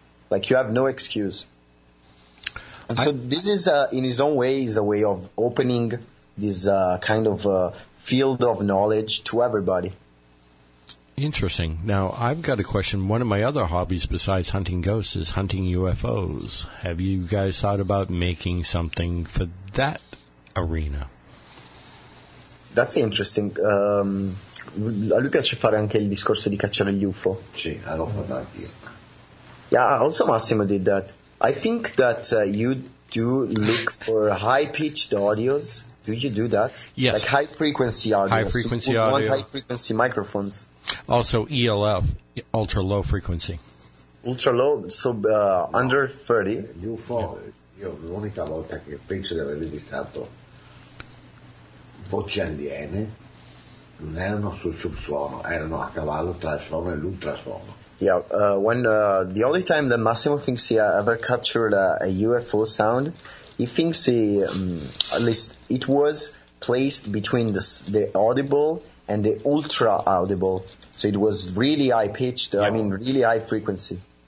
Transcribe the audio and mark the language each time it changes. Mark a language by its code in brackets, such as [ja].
[en] Like, you have no excuse. And so this is, in his own way, is a way of opening this kind of field of knowledge to everybody. Interesting. Now, I've got a question. One of my other hobbies besides hunting ghosts is hunting UFOs. Have you guys thought about making something for that arena? That's interesting. [it] A lui piace fare anche il discorso di cacciare gli UFO. Sì, l'ho fatto anch'io. [en] Yeah, also Massimo did that. I think that you do look for high-pitched audios. Do you do that? Yes. Like high-frequency audio. High-frequency audio. You want high-frequency microphones. Also ELF, ultra-low frequency. Ultra-low, so under 30. [it] UFO, io l'unica volta che penso di aver registrato voci aliene non erano sul subsuono, erano a cavallo tra il suono e l'ultrasuono. [en] Yeah, when the only time that Massimo thinks he ever captured a UFO sound, he thinks he at least it was placed between the audible and the ultra audible, so it was really high pitched. Yeah. I mean, really high frequency.